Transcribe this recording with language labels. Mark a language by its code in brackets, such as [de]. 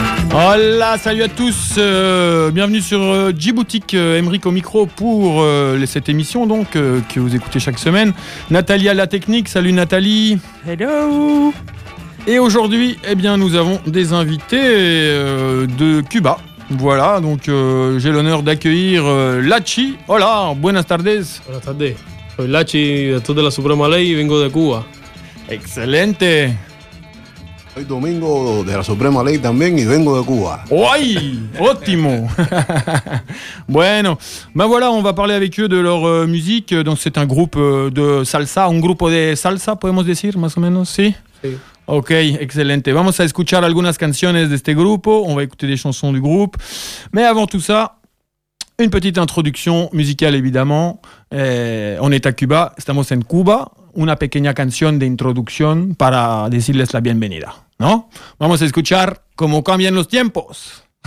[fr] Voilà, salut à tous, bienvenue sur G-Boutique, Emeric au micro pour cette émission donc que vous écoutez chaque semaine. Nathalie à la technique, salut Nathalie. [en] Hello. [fr] Et aujourd'hui, eh bien, nous avons des invités de Cuba. Voilà, donc j'ai l'honneur d'accueillir Lachi. [es] Hola, buenas tardes. Buenas tardes. Soy Lachi, director de la Suprema Ley, y vengo de Cuba. Excelente. Soy Domingo de la Suprema Ley también y vengo de Cuba. ¡Uy! ¡Ótimo! [fr] Bueno, ben voilà, on va parler avec eux de leur musique. Donc c'est un groupe de salsa, [es] un grupo de salsa, podemos decir, más o menos, ¿sí? Sí. Ok, excelente. Vamos a escuchar algunas canciones de este grupo. [fr] On va écouter des chansons du groupe. Mais avant tout ça, une petite introduction musicale, évidemment. On est à Cuba. [es] Estamos en Cuba. Una pequeña canción de introducción para decirles la bienvenida, ¿no? Vamos a escuchar cómo cambian los tiempos.